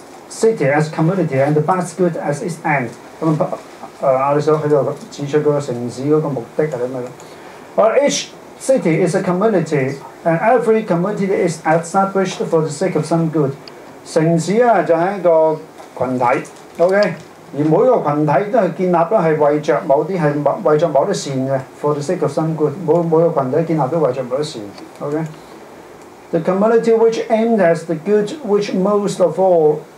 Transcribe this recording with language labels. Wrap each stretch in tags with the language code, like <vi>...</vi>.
<en>City as community and the best good as its end。</en> <yue>咁阿李生喺度指出個城市嗰個目的係啲咩咯？</yue> <en>而 each city is a community and every community is established for the sake of some good。</en> <yue>城市啊就係一個羣體 ，OK？ 而每個羣體都係建立咧係為著某啲係為著某啲善嘅 ，</yue> <en>for the sake of some good。</en> <yue>每個羣體建立都為著某啲善 ，OK？</yue> <en>The community which aimed as the good which most of all。</en>